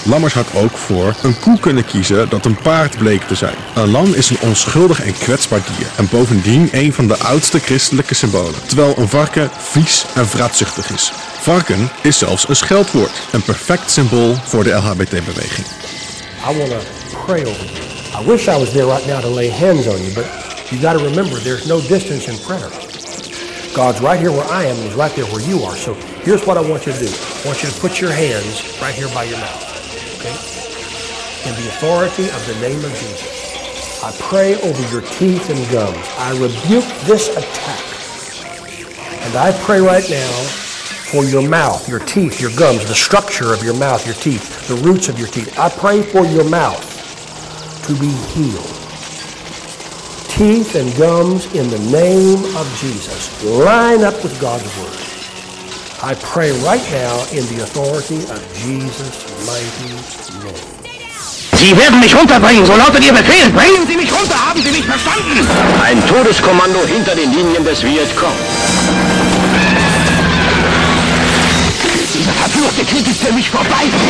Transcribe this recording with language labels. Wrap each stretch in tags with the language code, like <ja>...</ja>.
<nl>Lammers had ook voor een koe kunnen kiezen dat een paard bleek te zijn. Een lam is een onschuldig en kwetsbaar dier en bovendien een van de oudste christelijke symbolen. Terwijl een varken vies en vraatzuchtig is. Varken is zelfs een scheldwoord. Een perfect symbool voor de LHBT-beweging.</nl> <en>I want to pray over you. I wish I was there right now to lay hands on you, but you got to remember there's no distance in prayer. God's right here where I am, and he's right there where you are. So here's what I want you to do. I want you to put your hands right here by your mouth, okay? In the authority of the name of Jesus, I pray over your teeth and gums. I rebuke this attack. And I pray right now for your mouth, your teeth, your gums, the structure of your mouth, your teeth, the roots of your teeth. I pray for your mouth to be healed. Teeth and gums in the name of Jesus. Line up with God's word. I pray right now in the authority of Jesus' mighty name.</en> <de>Sie werden mich runterbringen, so lautet Ihr Befehl. Bringen Sie mich runter, haben Sie mich verstanden? Ein Todeskommando hinter den Linien des Vietcong. Dieser verfluchte Krieg ist für mich vorbei.</de>